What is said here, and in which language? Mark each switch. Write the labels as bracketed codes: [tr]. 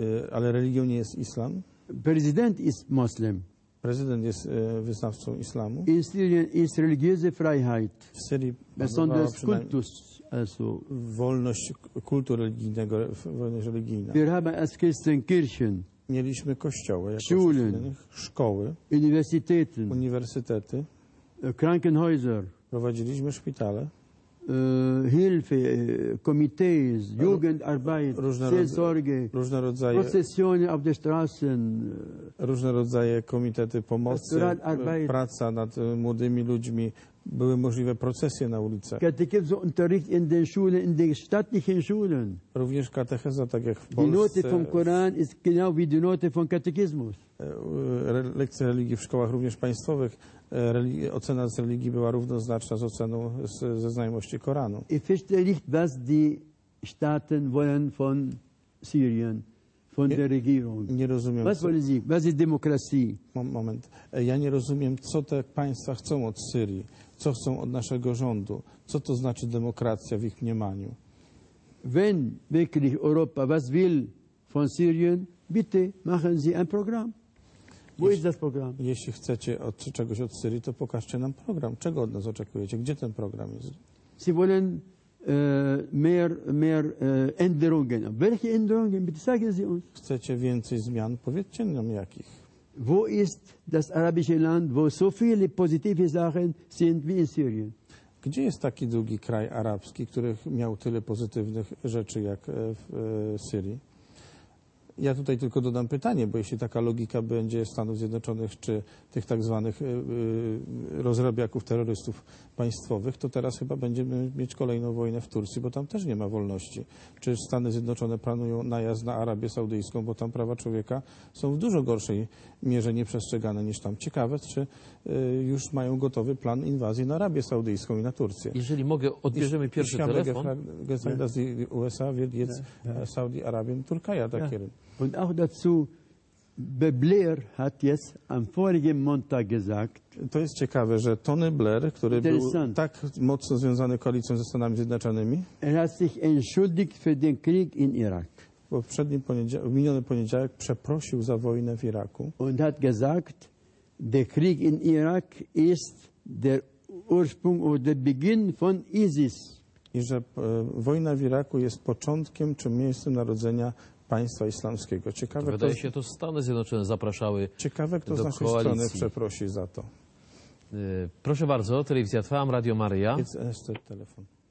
[pl] Ale religią nie jest Islam. [de] Prezydent ist Muslim. [pl] Prezydent jest wyznawcą islamu. [de] In Syrien ist religiöse Freiheit. [pl] W Syrii [de] besonders Kultus, also [pl] wolność kultu religijnego, wolność religijna. [de] Wir haben als Christen Kirchen. [pl] Mieliśmy kościoły, [de] Schulen, [pl] szkoły, uniwersytety, [de] Krankenhäuser. [pl] Prowadziliśmy szpitale, [de] Hilfe, Komitees, Jugendarbeit, [pl] różne rodzaje, [de] Prozesjonen auf der Straßen, [pl] różne rodzaje komitety pomocy, praca nad młodymi ludźmi, były możliwe procesje na ulicach. [de] Katechezunterricht in den Schulen, in den staatlichen Schulen. [pl] Również katecheza, tak jak w Polsce. [de] Die Note vom Koran ist genau wie die Note vom Katechismus. [pl] Lekcje religii w szkołach również państwowych. Ocena z religii była równoznaczna z oceną ze znajomości Koranu. [de] Ich verstehe nicht, was die Staaten wollen von Syrien, von der Regierung. [pl] Nie rozumiem. [de] Was wollen sie? Was ist Demokratie? [pl] Moment. Ja nie rozumiem, co te państwa chcą od Syrii, co chcą od naszego rządu, co to znaczy demokracja w ich mniemaniu. [de] Wenn wirklich Europa was will von Syrien, bitte machen Sie ein Programm. Wo ist das Programm? [pl] Jeśli chcecie czegoś od Syrii, to pokażcie nam program. Czego od nas oczekujecie? Gdzie ten program jest? [de] Sie wollen mehr Änderungen. Welche Änderungen? Bitte sagen Sie uns. [pl] Chcecie więcej zmian? Powiedzcie nam jakich. [de] Wo ist das arabische Land, wo so viele positive Sachen sind wie in Syrien? [pl] Gdzie jest taki drugi kraj arabski, który miał tyle pozytywnych rzeczy jak w Syrii? Ja tutaj tylko dodam pytanie, bo jeśli taka logika będzie Stanów Zjednoczonych czy tych tak zwanych rozrabiaków terrorystów państwowych, to teraz chyba będziemy mieć kolejną wojnę w Turcji, bo tam też nie ma wolności. Czy Stany Zjednoczone planują najazd na Arabię Saudyjską, bo tam prawa człowieka są w dużo gorszej mierze nieprzestrzegane niż tam. Ciekawe, czy już mają gotowy plan inwazji na Arabię Saudyjską i na Turcję. Jeżeli mogę, odbierzemy pierwszy telefon. [de] USA wird jetzt Saudi Arabien Türkei attackieren. Und auch dazu, Blair hat jetzt am vorigen Montag gesagt, [pl] to jest ciekawe, że Tony Blair, który był tak mocno związany koalicją ze Stanami Zjednoczonymi, [de] er hat sich entschuldigt für den Krieg in Irak. [pl] Bo w miniony poniedziałek przeprosił za wojnę w Iraku. [de] Und hat gesagt, der Krieg in Irak ist der Ursprung oder Beginn von ISIS. [pl] I że wojna w Iraku jest początkiem czy miejscem narodzenia państwa islamskiego. Ciekawe, wydaje się, to Stany Zjednoczone zapraszały do koalicji. Ciekawe, kto z naszej strony przeprosi za to. Proszę bardzo, telewizja Trwam, Radio Maria. Jest telefon.